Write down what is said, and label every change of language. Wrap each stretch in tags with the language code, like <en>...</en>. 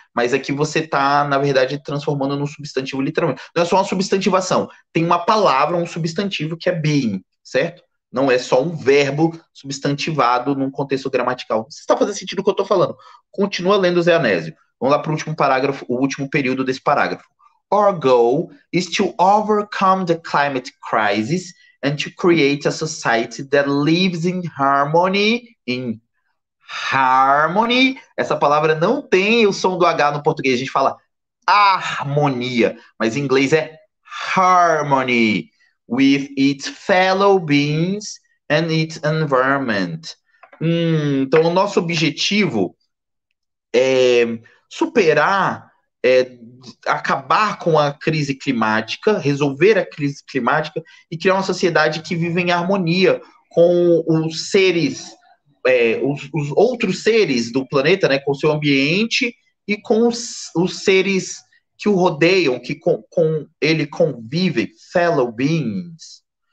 <pt>Mas aqui você está, na verdade, transformando num substantivo literalmente. Não é só uma substantivação. Tem uma palavra, um substantivo que é being, certo? Não é só um verbo substantivado num contexto gramatical. Você está fazendo sentido o que eu estou falando? Continua lendo o Zé Anésio. Vamos lá para o último parágrafo, o último período desse parágrafo.</pt> <en>Our goal is to overcome the climate crisis and to create a society that lives in harmony. In harmony.</en> <pt>Essa palavra não tem o som do H no português. A gente fala harmonia, mas em inglês é harmony.</pt> <en>With its fellow beings and its environment.</en> <pt>Então, o nosso objetivo é superar, acabar com a crise climática, resolver a crise climática e criar uma sociedade que vive em harmonia com os seres, os outros seres do planeta, né, com o seu ambiente e com os seres que o rodeiam, que com ele convive,</pt> <en>fellow beings.</en>